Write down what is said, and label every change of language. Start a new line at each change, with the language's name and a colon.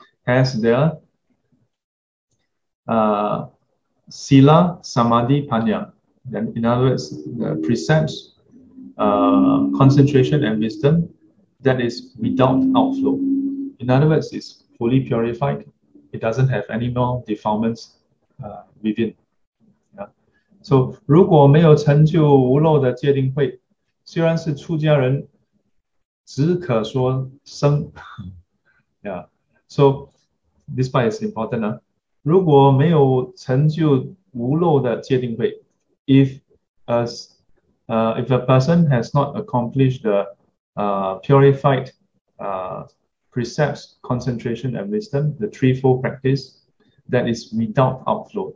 English: Has the Sila Samadhi Panya. Then, in other words, the precepts, concentration, and wisdom that is without outflow. In other words, it's fully purified. It doesn't have any more defilements within.
Chinese: So, 如果没有成就无漏的戒定慧, 虽然是出家人, 只可说僧.
English: Yeah. So, this part is important.
Chinese: 如果没有成就无漏的戒定慧,
English: if a person has not accomplished the purified precepts, concentration, and wisdom, the threefold practice, that is without outflow.